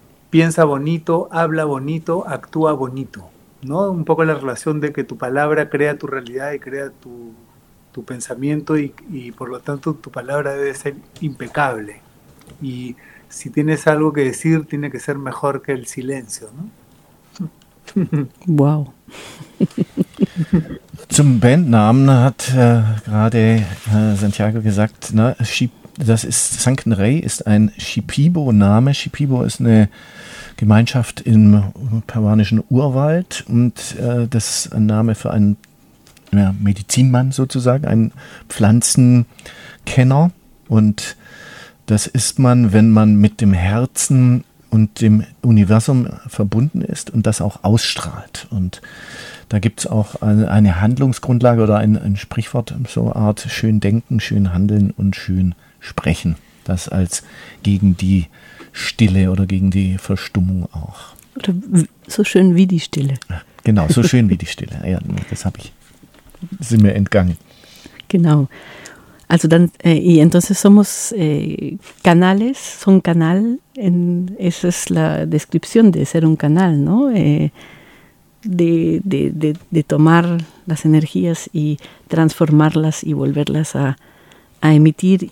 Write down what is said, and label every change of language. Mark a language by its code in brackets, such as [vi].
[es] Piensa bonito, habla bonito, actúa bonito, ¿no? Un poco la relación de que tu palabra crea tu realidad y crea tu pensamiento y por lo tanto tu palabra debe ser impecable. Y si tienes algo que decir, tiene que ser mejor que el silencio, ¿no? Wow. [de] Zum Bandnamen hat gerade Santiago gesagt, ne, das ist Sunken Ray ist ein Shipibo-Name. Shipibo ist eine Gemeinschaft im peruanischen Urwald und das ist ein Name für einen Medizinmann sozusagen, einen Pflanzenkenner. Und das ist man, wenn man mit dem Herzen und dem Universum verbunden ist und das auch ausstrahlt. Und da gibt es auch eine Handlungsgrundlage oder ein Sprichwort, so eine Art schön denken, schön handeln und schön sprechen. Das als gegen die Stille oder gegen die Verstummung auch. Oder so schön wie die Stille. Genau, so schön wie die Stille. Ja, das habe ich, sind mir entgangen. Genau. Also dann, [es] y entonces somos canales, son canal, esa es la descripción de ser un canal, ¿no? De tomar las energías y transformarlas y volverlas a emitir.